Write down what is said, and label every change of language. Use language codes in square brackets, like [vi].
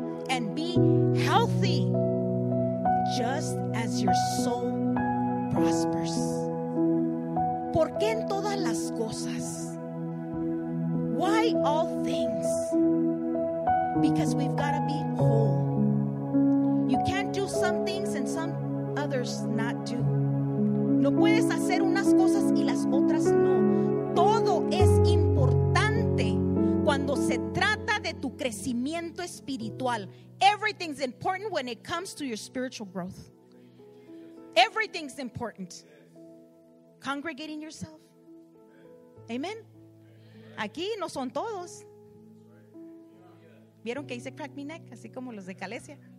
[en] And be healthy just as your soul prospers. [es] ¿Por qué en todas las cosas? [en] Why all things? Because we've got to be whole. You can't do some things and some others not do. [es] No puedes hacer unas cosas y las otras no. Todo es importante cuando se trata de tu crecimiento espiritual. [en] Everything's important when it comes to your spiritual growth. Everything's important. Congregating yourself. Amen. [es] Aquí no son todos. ¿Vieron que hice [en] crack my neck? [es] Así como los de Calesia.